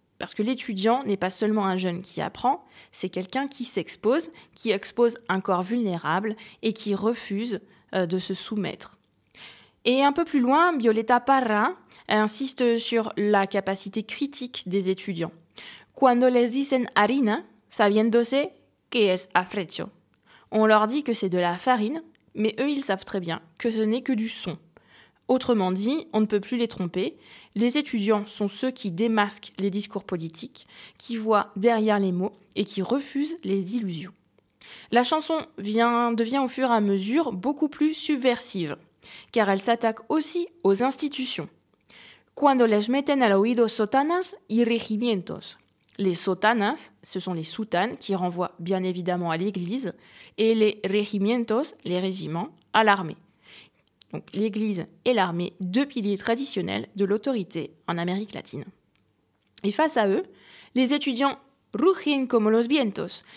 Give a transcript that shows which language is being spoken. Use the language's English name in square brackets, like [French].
[French] Parce que l'étudiant n'est pas seulement un jeune qui apprend, c'est quelqu'un qui s'expose, qui expose un corps vulnérable et qui refuse de se soumettre. Et un peu plus loin, Violeta Parra insiste sur la capacité critique des étudiants. [Spanish] Cuando les dicen harina, sabiéndose que es afrecho. [French] On leur dit que c'est de la farine, mais eux, ils savent très bien que ce n'est que du son. Autrement dit, on ne peut plus les tromper. Les étudiants sont ceux qui démasquent les discours politiques, qui voient derrière les mots et qui refusent les illusions. La chanson devient au fur et à mesure beaucoup plus subversive, car elle s'attaque aussi aux institutions. [Spanish] Cuando les meten al oído sotanas y regimientos. [French] Les sotanas, ce sont les soutanes qui renvoient bien évidemment à l'église, et les regimientos, les régiments, à l'armée. Donc l'église et l'armée, deux piliers traditionnels de l'autorité en Amérique latine. Et face à eux, les étudiants [Spanish] rugen como los vientos.